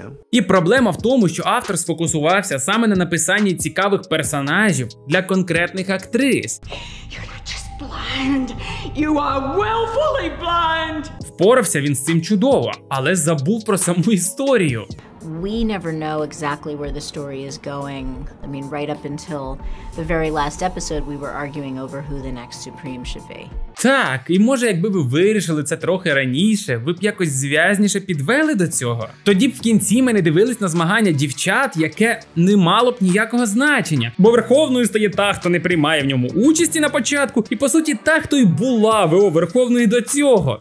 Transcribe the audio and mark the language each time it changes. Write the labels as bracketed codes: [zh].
[uk] І проблема в тому, що автор сфокусувався саме на написанні цікавих персонажів для конкретних актрис. [en] Blind. You are willfully blind. [uk] Впорався він з цим чудово, але забув про саму історію. [en] We never know exactly where the story is going. I mean, right up until the very last episode, we were arguing over who the next supreme should be. [uk] Так, і може, якби ви вирішили це трохи раніше, ви б якось зв'язніше підвели до цього. Тоді б в кінці ми не дивились на змагання дівчат, яке не мало б ніякого значення. Бо верховною стає та, хто не приймає в ньому участі на початку, і по суті та, хто й була ВО верховною до цього.